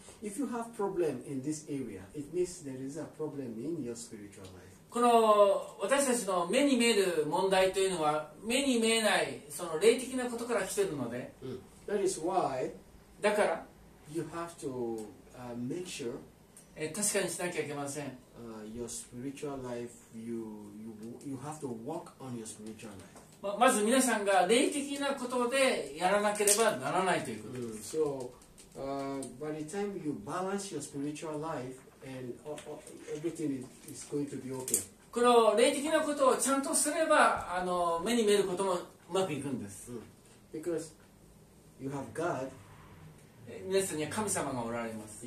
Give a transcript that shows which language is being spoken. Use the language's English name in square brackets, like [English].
[English] If you have problem in this area, it means there is a problem in your spiritual life. [Japanese] この私たちの目に見える問題というのは目に見えないその霊的なことから来ているので。 [English] That is why. [Japanese] だから。 [English] You have to make sure. [Japanese] 確かにしなきゃいけません。 [English] Your spiritual life, you have to work on your spiritual life. [Japanese] まず皆さんが霊的なことでやらなければならないということです。 [English] So, by the time you balance your spiritual life, and everything is going to be okay. [Japanese] この霊的なことをちゃんとすれば、目に見えることもうまくいくんです。 [English] Because you have God. [Japanese] 皆さんには神様がおられます。